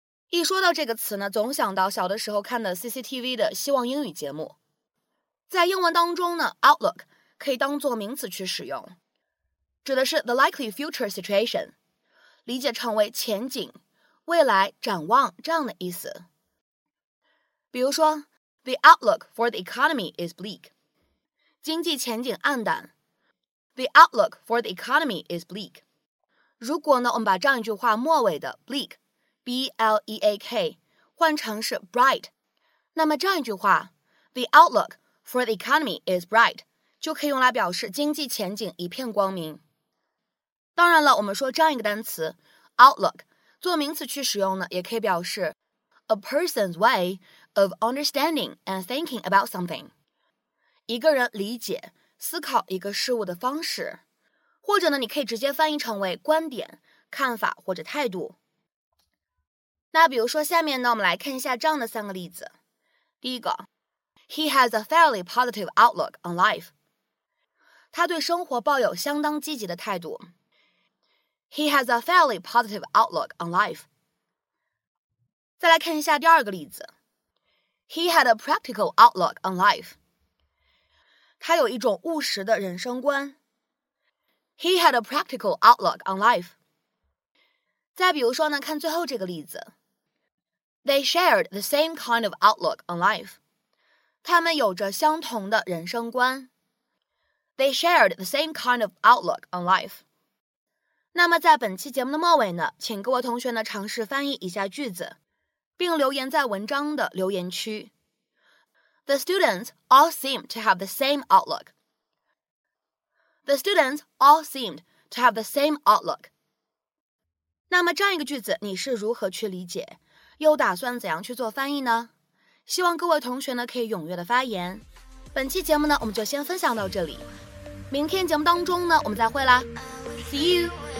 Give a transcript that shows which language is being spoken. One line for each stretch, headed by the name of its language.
Chinese: 一说到这个词呢，总想到小的时候看的 CCTV 的希望英语节目。在英文当中呢， outlook 可以当作名词去使用，指的是
English: the likely future situation，
Chinese: 理解成为前景、未来、展望这样的意思。
English: 比如说 the outlook for the economy is bleak，
Chinese: 经济前景暗淡。
English: the outlook for the economy is bleak。
Chinese: 如果呢，我们把这样一句话末尾的 bleakBLEAK 换成是 bright， 那么这样一句话
English: The outlook for the economy is bright
Chinese: 就可以用来表示经济前景一片光明。当然了，我们说这样一个单词 outlook 做名词去使用呢，也可以表示
English: a person's way of understanding and thinking about something，
Chinese: 一个人理解思考一个事物的方式，或者呢，你可以直接翻译成为观点、看法或者态度。那比如说下面呢，我们来看一下这样的三个例子。
English: 第一个， He has a fairly positive outlook on life.
Chinese: 他对生活抱有相当积极的态度。
English: He has a fairly positive outlook on life.
Chinese: 再来看一下第二个例子。
English: He had a practical outlook on life.
Chinese: 他有一种务实的人生观。
English: He had a practical outlook on life.
Chinese: 再比如说呢，看最后这个例子。
English: They shared the same kind of outlook on life.
Chinese: 他们有着相同的人生观。
English: They shared the same kind of outlook on life.
Chinese: 那么在本期节目的末尾呢，请各位同学呢尝试翻译一下句子，并留言在文章的留言区。
English: The students all seemed to have the same outlook. The students all seemed to have the same outlook.
Chinese: 那么这样一个句子你是如何去理解，又打算怎样去做翻译呢？希望各位同学呢可以踊跃的发言。本期节目呢我们就先分享到这里，明天节目当中呢我们再会啦，
English: See you.